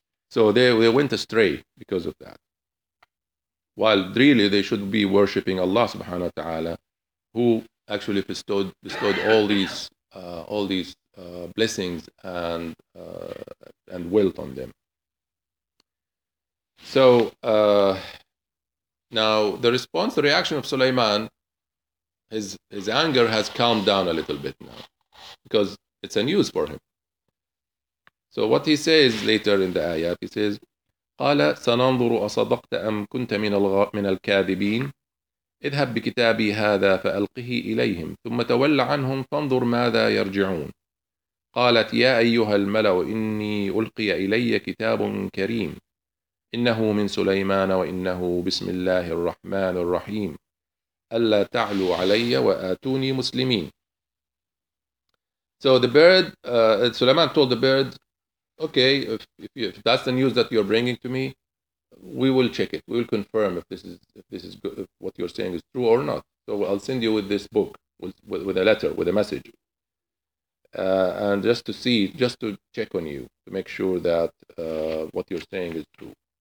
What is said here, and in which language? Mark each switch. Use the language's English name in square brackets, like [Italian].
[English] So they went astray because of that. While really they should be worshipping Allah subhanahu wa ta'ala, who actually bestowed all these blessings and wealth on them. So now the response, the reaction of Sulaiman, his anger has calmed down a little bit now, because it's a news for him. So what he says [Arabic] later in the ayat, he says, قال سننظر أصدقت أم كنت من الكاذبين اذهب بكتابي هذا فألقه إليهم ثم تول عنهم فانظر ماذا يرجعون قالت يا أيها الملأ إني ألقي إلي كتاب كريم إنه من سليمان وإنه بسم الله الرحمن الرحيم ألا تعلوا علي وآتوني مسلمين. [English] So the bird, Sulaiman told the bird, okay, if that's the news that you're bringing to me, we will check it. We will confirm if this is good, if what you're saying is true or not. So I'll send you with this book, with a letter, with a message, and just to see, just to check on you, to make sure that what you're saying is true.